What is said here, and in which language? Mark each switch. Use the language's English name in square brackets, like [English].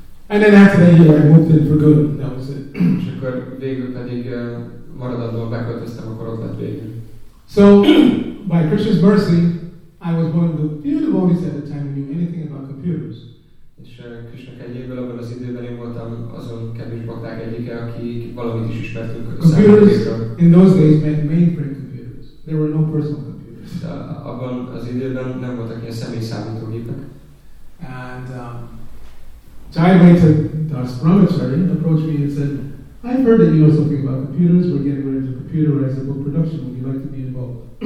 [English] And then after that year, I moved in for good. That was it. [Hungarian] És akkor végül pedig maradandóan beköltöztem, akkor ott lett végül. [English] So, by Krishna's mercy, I was one of the few devotees at the time who knew anything about computers. [Hungarian] És Krishna kegyéből abban az időben én voltam azon kevés bakták egyike, aki valamit is ismert. [English] Computers in those days meant mainframe computers. There were no personal computers. [Hungarian] Abban az időben nem voltak ilyen személy számítógépek. [English] And I went to Das Brahmachari, approached me and said, I've heard that you know something about computers, we're getting ready to computerize the book production, would you like to be involved?